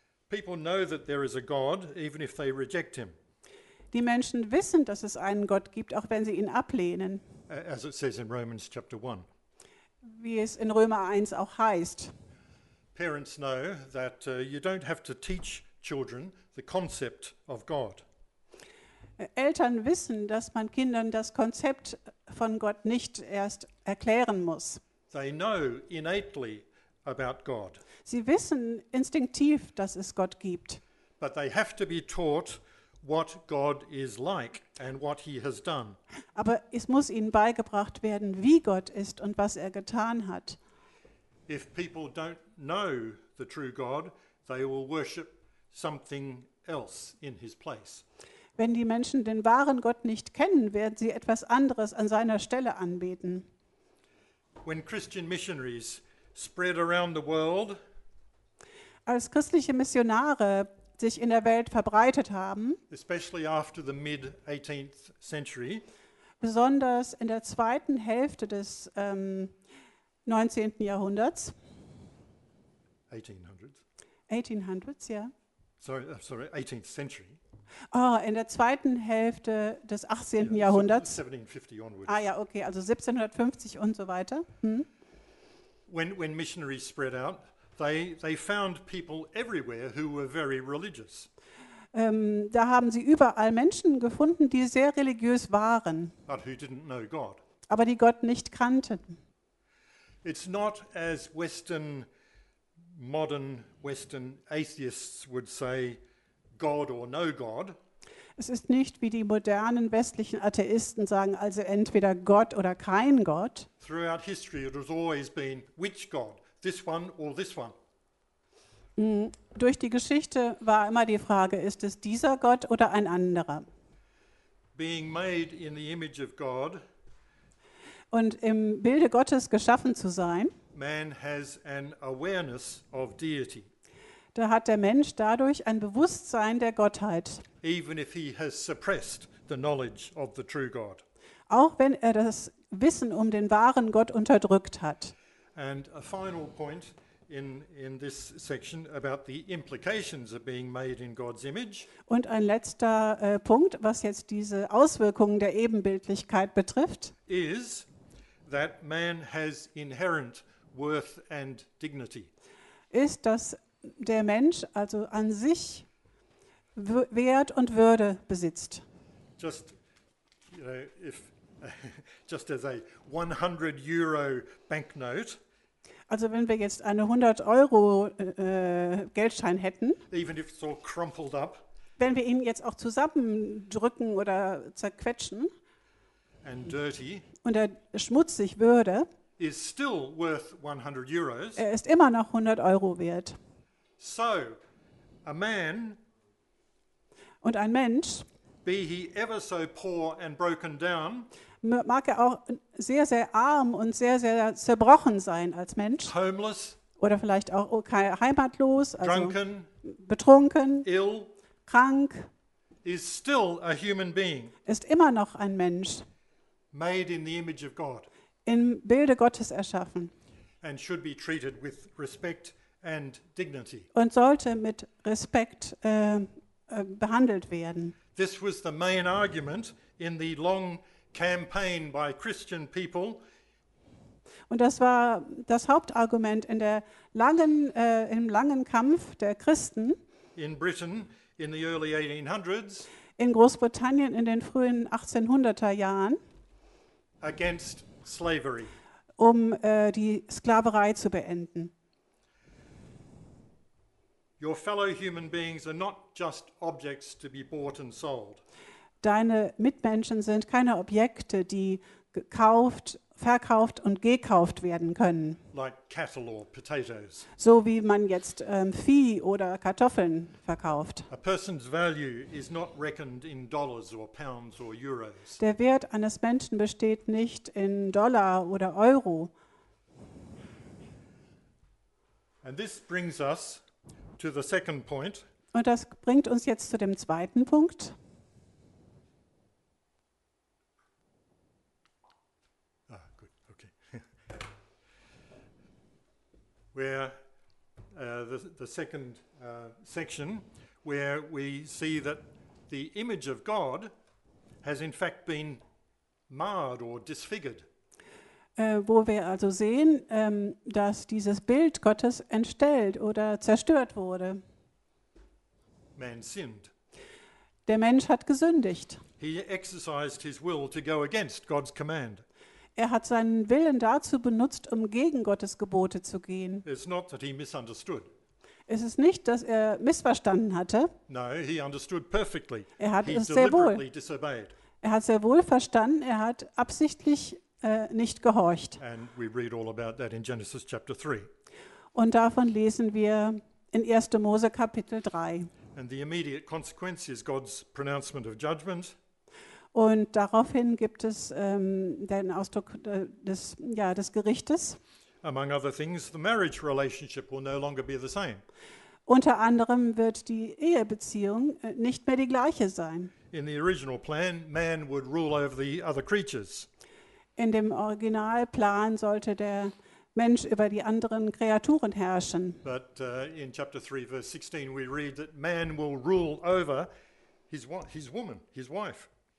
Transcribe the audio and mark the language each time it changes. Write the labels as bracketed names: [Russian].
[English] People know that there is a God, even if they reject him. [German] Die Menschen wissen, dass es einen Gott gibt, auch wenn sie ihn ablehnen. [English] As it says in Romans chapter 1. [German] Wie es in Römer 1 auch heißt. [English] Parents know that you don't have to teach children the concept of God. [German] Eltern wissen, dass man Kindern das Konzept von Gott nicht erst erklären muss. [English] They know innately about God. [German] Sie wissen instinktiv, dass es Gott gibt. [English] But they have to be taught what God is like and what he has done. [German] Aber es muss ihnen beigebracht werden, wie Gott ist und was er getan hat. [English] If people don't know the true God, they will worship something else in his place. [German] Wenn die Menschen den wahren Gott nicht kennen, werden sie etwas anderes an seiner Stelle anbeten. [English] When Christian missionaries spread around the world, [German] als christliche Missionare sich in der Welt verbreitet haben, [English] especially after the mid 18th century, [German] besonders in der zweiten Hälfte des 19. Jahrhunderts. [English] 1800s, [German] ja. [English] Sorry, 18th century. [German] Oh, in der zweiten Hälfte des 18. Jahrhunderts. [English] 1750 onwards. [German] Ah ja, okay, also 1750 und so weiter. [English] When missionaries spread out, they found people everywhere who were very religious. [German] Da haben sie überall Menschen gefunden, die sehr religiös waren. [English] But who didn't know God. [German] Aber die Gott nicht kannten. [English] It's not as modern Western atheists would say, God or no God. [German] Es ist nicht wie die modernen westlichen Atheisten sagen, also entweder Gott oder kein Gott. [English] Throughout history it has always been which God, this one or this one. [German] Durch die Geschichte war immer die Frage, ist es dieser Gott oder ein anderer? [English] Being made in the image of God. [German] Und im Bilde Gottes geschaffen zu sein. [English] Man has an awareness of deity. [German] Da hat der Mensch dadurch ein Bewusstsein der Gottheit. [English] Even if he has suppressed the knowledge of the true God. [German] Auch wenn er das Wissen um den wahren Gott unterdrückt hat. [English] And a final point in this section about the implications of being made in God's image. [German] Und ein letzter Punkt, was jetzt diese Auswirkungen der Ebenbildlichkeit betrifft, [English] is that man has inherent worth and dignity. [German] Ist, dass der Mensch also an sich Wert und Würde besitzt. [English] Just, you know, if just as a 100 euro banknote. [German] Also wenn wir jetzt eine 100 Euro Geldschein hätten, [English] even if it's all crumpled up, [German] wenn wir ihn jetzt auch zusammendrücken oder zerquetschen, [English] and dirty, [German] und er schmutzig würde, [English] is still worth 100 euros. [German] Er ist immer noch 100 Euro wert. [English] So, a man, [German] und ein Mensch, [English] be he ever so poor and broken down, [German] mag er auch sehr, sehr arm und sehr, sehr zerbrochen sein als Mensch, [English] homeless, [German] oder vielleicht auch heimatlos, also [English] drunken, [German] betrunken, [English] ill, [German] krank, [English] is still a human being, [German] ist immer noch ein Mensch, [English] made in the image of God, [German] im Bilde Gottes erschaffen. [English] And should be treated with respect and dignity. [German] Und sollte mit Respekt behandelt werden. [English] This was the main argument in the long campaign by Christian people. [German] Und das war das Hauptargument in der langen im langen Kampf der Christen [English] in Britain in the early 1800s, [German] in Großbritannien in den frühen 1800er Jahren, [English] against slavery, [German] um die Sklaverei zu beenden. [English] Your fellow human beings are not just objects to be bought and sold. [German] Deine Mitmenschen sind keine Objekte, die gekauft, verkauft und gekauft werden können. [English] Like cattle or potatoes. [German] So wie man jetzt Vieh oder Kartoffeln verkauft. [English] A person's value is not reckoned in dollars or pounds or euros. [German] Der Wert eines Menschen besteht nicht in Dollar oder Euro. [English] And this brings us to the second point. [German] Und das bringt uns jetzt zu dem zweiten Punkt. [English] Ah, good, okay. Where the second section, where we see that the image of God has in fact been marred or disfigured. [German] Wo wir also sehen, dass dieses Bild Gottes entstellt oder zerstört wurde. [English] Man sinned. [German] Der Mensch hat gesündigt. [English] He exercised his will to go against God's command. [German] Er hat seinen Willen dazu benutzt, um gegen Gottes Gebote zu gehen. [English] It's not that he misunderstood. [German] Es ist nicht, dass er missverstanden hatte. [English] No, he understood perfectly. [German] Er hat es sehr wohl. [English] Disobeyed. [German] Er hat sehr wohl verstanden, er hat absichtlich nicht gehorcht. [English] And we read all about that in Genesis chapter 3. [German] Und davon lesen wir in 1. Mose Kapitel 3. [English] And the immediate consequence is God's pronouncement of judgment. [German] Und daraufhin gibt es den Ausdruck des, ja, des Gerichtes. [English] Among other things, the marriage relationship will no longer be the same. [German] Unter anderem wird die Ehebeziehung nicht mehr die gleiche sein. [English] In the original plan, man would rule over the other creatures. [German] In dem Originalplan sollte der Mensch über die anderen Kreaturen herrschen. [English] But in chapter 3 verse 16 we read that man will rule over his woman, his wife.